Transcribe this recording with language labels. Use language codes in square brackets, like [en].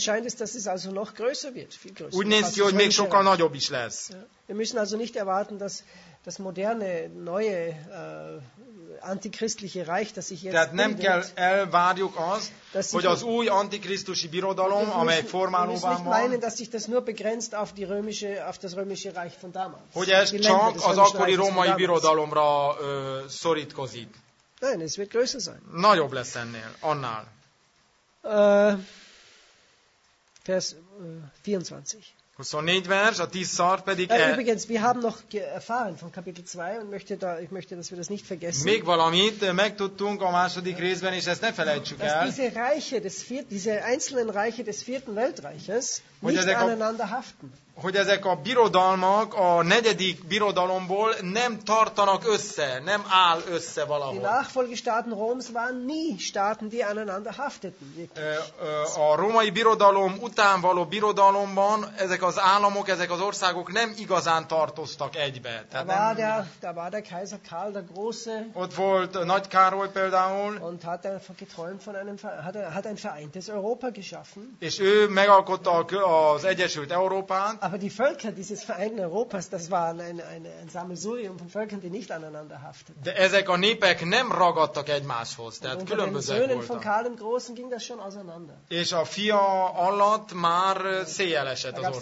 [de] Scheint es, dass es also noch größer wird, viel größer. [hu] Úgy néz ki, hogy még sokkal nagyobb is lesz. [de] Ja. Wir müssen also nicht erwarten, dass das moderne, neue antichristliche Reich, das sich jetzt bildet, [hu] nem kell elvárjuk azt, hogy az új antikrisztusi birodalom, amely formálóban van. [de] Nicht meinen, dass sich das nur begrenzt auf das römische Reich von damals. [hu] Hogy ez csak az akkori római birodalomra szorítkozik. [de] Nein, es wird größer sein. [hu] Nagyobb lesz ennél, annál. [de] Vers 24 [hu] a 10 szart pedig [de] übrigens, wir haben noch erfahren von Kapitel 2 und ich möchte, dass wir das nicht vergessen. [hu] Még valamit megtudtunk a második részben, és ezt ne felejtsük el. [de] Diese einzelnen Reiche des vierten Weltreiches nicht aneinander haften. [hu] Hogy ezek a birodalmak a negyedik birodalomból nem tartanak össze, nem áll össze valahol. [de] Die Nachfolgestaaten Roms waren nie Staaten, die aneinander hafteten. [hu] A római birodalom után való birodalomban ezek az államok, ezek az országok nem igazán tartoztak egybe. [de] Da war der Kaiser Karl der Große. [hu] Ott volt Nagy Károly például. [de] Und hat ein vereintes Europa geschaffen. [hu] És ő megalkotta az Egyesült Európát. [de] Aber die Völker dieses vereinten Europas, das waren ein Sammelsurium von Völkern, die nicht aneinander hafteten. [hu] De ezek a népek nem ragadtak egymáshoz, tehát különbözőek voltak. [de] Unter den Söhnen von Karl dem Großen ging das schon auseinander. [hu] És a fia alatt már széjjel esett az ország.